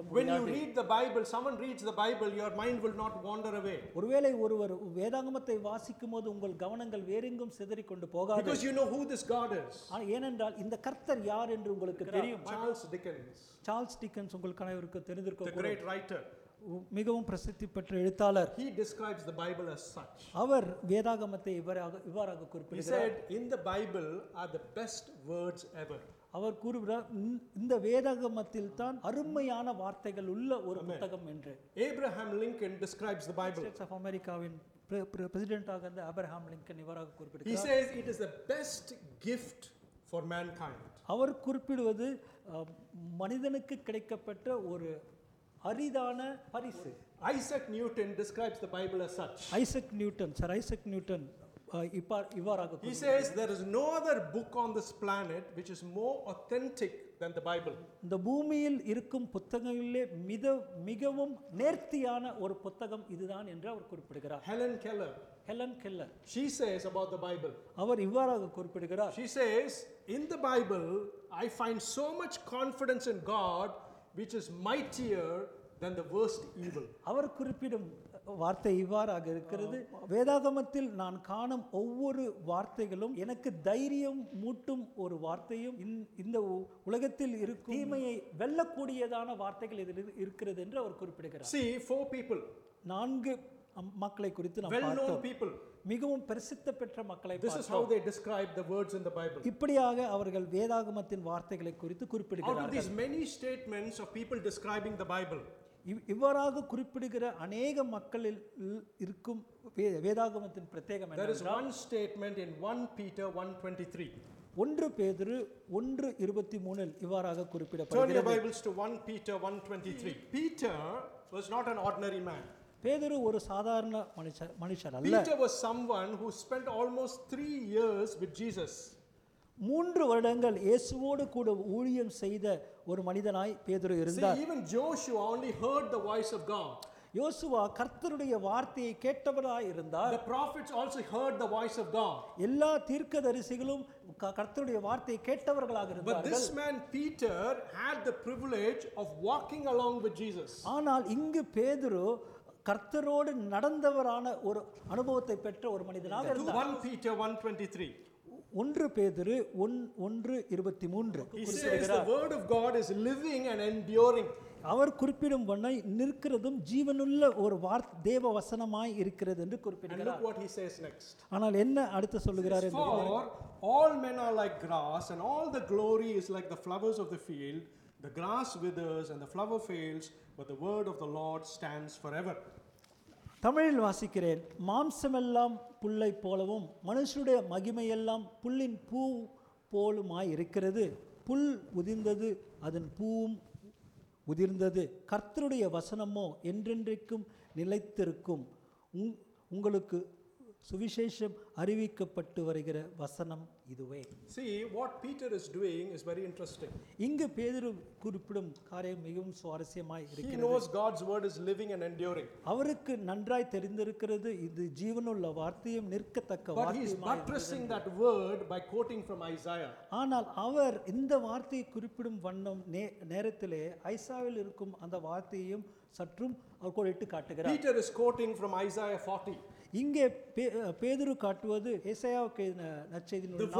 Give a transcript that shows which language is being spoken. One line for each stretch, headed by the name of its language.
Tamil: முடியாது.
English: When you read the Bible, someone reads the Bible, your mind will not wander away.
Tamil: ஒருவேளை ஒருவர் வேதாகமத்தை வாசிக்கும்போது உங்கள் கவனங்கள் வேறெங்கும் சிதறிக் கொண்டு போகாது.
English: Because you know who this God is.
Tamil: ஏனென்றால் இந்த கர்த்தர் யார் என்று உங்களுக்கு தெரியும். சார்ல்ஸ் டிக்கன்ஸ் உங்களுக்கு அனைவருக்கும் தெரிந்திருக்கக்கூடிய
English: The great writer.
Tamil: மிகவும் பிரசித்தி பெற்ற எழுத்தாளர்.
English: He describes the Bible as such.
Tamil: அவர் வேதாகமத்தை இவ்வாறாக குறிப்பிடுகிறார்.
English: He said in the Bible are the best words ever.
Tamil: அவர் கூறுகிறார் இந்த வேதாகமத்தில் தான் அருமையான வார்த்தைகள் உள்ள ஒரு புத்தகம் என்று.
English: Abraham Lincoln describes the Bible.
Tamil: States of America-வின் பிரசிடென்டாக இருந்த அப்ரஹாம் லிங்கன் இவ்வாறாக குறிப்பிடுகிறார்.
English: He says it is the best gift for mankind.
Tamil: அவர் குறிப்பிடுவது மனிதனுக்கு கிடைக்கப்பட்ட ஒரு அரிதான பரிசு.
English: Isaac Newton describes the Bible as such.
Tamil: Isaac Newton இவ்வாறாக
English: He says there is no other book on this planet which is more authentic than the Bible.
Tamil: இந்த பூமியில் இருக்கும் புத்தகங்களிலே மிகவும் நேர்த்தியான ஒரு புத்தகம் இதுதான் என்று அவர் குறிப்பிடுகிறார்.
English: Helen Keller she says about the Bible.
Tamil: அவர் இவ்வாறாக குறிப்பிடுகிறார்.
English: She says in the Bible I find so much confidence in God which is mightier than the worst evil.
Tamil: அவர் குறிப்பிடும் வார்த்தை இவ்வாறாக இருக்கிறது. வேதாகமத்தில் நான் காணும் ஒவ்வொரு வார்த்தைகளும் எனக்கு தைரியம் மூட்டும் ஒரு வார்த்தையும் இந்த உலகத்தில் இருக்கும் தீமையை வெல்லக்கூடியதான வார்த்தைகள் இதில் இருக்கிறது என்று அவர் குறிப்பிடுகிறார்.
English: See, four people.
Tamil: நான்கு மக்களை குறித்து நாம் பார்த்தோம்.
English: Well-known people.
Tamil: மிகவும் பிரசித்த பெற்ற மக்களை
English: This is how they describe the words in the Bible.
Tamil: இப்படியாக அவர்கள் வேதாகமத்தின் வார்த்தைகளை குறித்து குறிப்பிடுகிறார்கள்.
English: Out of these many statements of people describing the Bible.
Tamil: இவ்வாறாக குறிப்பிடுகிற அநேக மக்களில் இருக்கும் வேதாகமத்தின் பிரத்யேகம் என்னவென்றால்
English: There is one statement in 1 Peter 1:23.
Tamil: ஒன்று பேதுரு ஒன்று இருபத்தி மூணில் இவ்வாறாக குறிப்பிடப்படுகிறது. பேதுரு ஒரு சாதாரண மனுஷர் அல்ல.
English: Peter was someone who spent almost 3 years with Jesus.
Tamil: மூன்று வருடங்கள் இயேசுவோடு கூட ஊழியம் செய்த ஒரு மனிதனாய் பேதுரு இருந்தார்.
English: See, even Joshua only heard the voice of God.
Tamil: யோசுவா கர்த்தருடைய வார்த்தையை கேட்டவராய் இருந்தார்.
English: The prophets also heard the voice of God.
Tamil: எல்லா தீர்க்கதரிசிகளும் கர்த்தருடைய வார்த்தையை கேட்டவர்களாக இருந்தார்கள்.
English: But this man Peter had the privilege of walking along with Jesus.
Tamil: ஆனால் இங்கு பேதுரு கர்த்தரோடு நடந்தவரான ஒரு அனுபவத்தை பெற்ற ஒரு மனிதனாக இருந்தார்.
English: 1 Peter 1:23.
Tamil: ஒன்று பேதுரு ஒன்று இருபத்தி மூன்று.
English: He says the word of God is living and enduring.
Tamil: அவர் குறிப்பிடும் வண்ணம் நிற்கிறதும் ஜீவனுள்ள ஒரு தேவ வசனமாய் இருக்கிறது என்று குறிப்பிடுகிறார்.
English: And look what he says next.
Tamil: ஆனால் என்ன அடுத்த சொல்லுகிறார் என்று,
English: For all men are like grass and all the glory is like the flowers of the field. The grass withers and the flower fails, but the word of the Lord stands forever.
Tamil: தமிழில் வாசிக்கிறேன். மாம்சமெல்லாம் புல்லை போலவும் மனுஷருடைய மகிமையெல்லாம் புல்லின் பூ போலுமாய் இருக்கிறது. புல் உதிர்ந்தது, அதன் பூவும் உதிர்ந்தது. கர்த்தருடைய வசனமோ என்றென்றைக்கும் நிலைத்திருக்கும். உங்களுக்கு சுவிசேஷம் அறிவிக்கப்பட்டு வருகிற வசனம் இதுவே.
English: See what Peter is doing is very interesting.
Tamil: இங்கு பேதுரு குறிப்பிடும் காரியம் மிகவும் சுவாரஸ்யமாய் இருக்கிறது.
English: He knows God's word is living and enduring.
Tamil: அவருக்கு நன்றாய் தெரிந்திருக்கிறது இது ஜீவனுள்ள வார்த்தையும் நிற்கத்தக்க வார்த்தையும்.
English: But he is buttressing that word by quoting from Isaiah.
Tamil: ஆனால் அவர் இந்த வார்த்தையை குறிப்பிடும் வண்ணம் நேரத்திலே ஐசாயாவில் இருக்கும் அந்த வார்த்தையையும் சற்றும் அவர் கோடிட்டு காட்டுகிறார்.
English: Peter is quoting from Isaiah 40.
Tamil: இங்கே பேதுரு காட்டுவது ஏசாயாவுக்கு நற்செய்தியின்